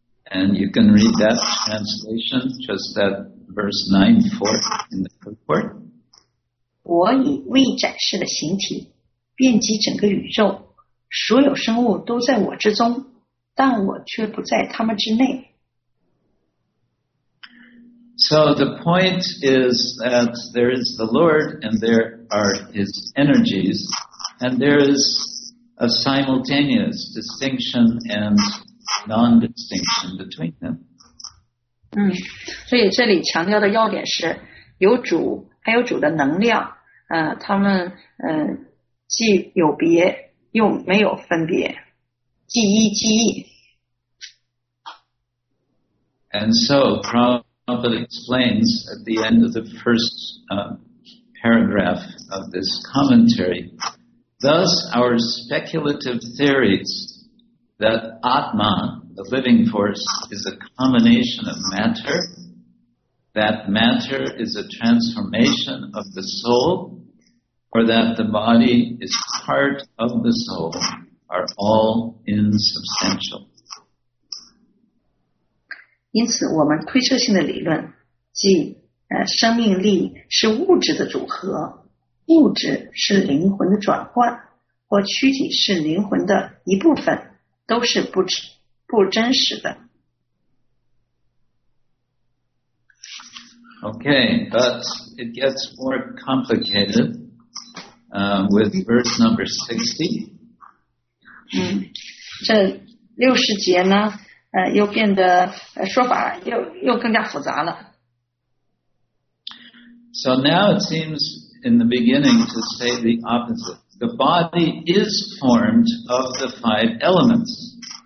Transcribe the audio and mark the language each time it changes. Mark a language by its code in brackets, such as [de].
[en] And you can read that translation, just that verse 9-4 in the purport. [zh] 我以未展示的形体遍及整个宇宙，所有生物都在我之中，但我却不在他们之内。 [en] So the point is that there is the Lord and there are his energies, and there is a simultaneous distinction and non-distinction between them. [zh] 所以这里强调的要点是有主，还有主的能量，他们既有别又没有分别，即一即一。 [en] And so Prabhupada explains at the end of the first paragraph of this commentary, thus our speculative theories that Atman, the living force, is a combination of matter, that matter is a transformation of the soul,or that the body is part of the soul, are all insubstantial. [zh] 因此我们推测性的理论，即生命力是物质的组合，物质是灵魂的转换，或躯体是灵魂的一部分，都是不真实的。 [en] Okay, but it gets more complicated. With verse number 60. [zh] 这六十节呢，又变得说法又更加复杂了。 [en] So now it seems in the beginning to say the opposite. The body is formed of the five elements.